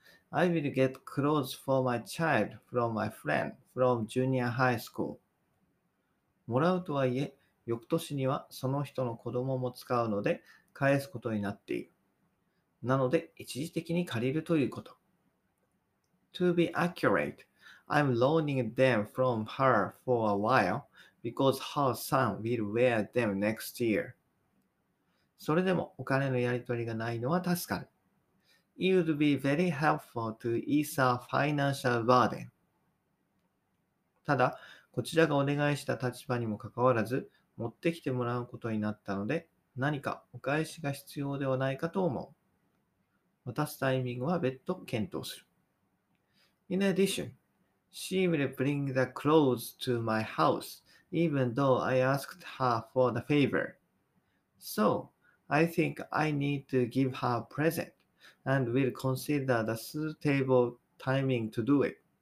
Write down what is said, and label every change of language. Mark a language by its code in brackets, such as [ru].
[en] I will get clothes for my child from my friend from junior high school. [ja] もらうとはいえ、翌年にはその人の子供も使うので返すことになっている。なので一時的に借りるということ。 [en] To be accurate, I'm loaning them from her for a while because her son will wear them next year. [ja] それでもお金のやり取りがないのは助かる。 [en] It would be very helpful to ease our financial burden. [ja] ただ、こちらがお願いした立場にもかかわらず、持ってきてもらうことになったので、何かお返しが必要ではないかと思う。渡すタイミングは別途検討する。 [en] In addition, she will bring the clothes to my house, even though I asked her for the favor. So, I think I need to give her a present, and will consider the suitable timing to do it.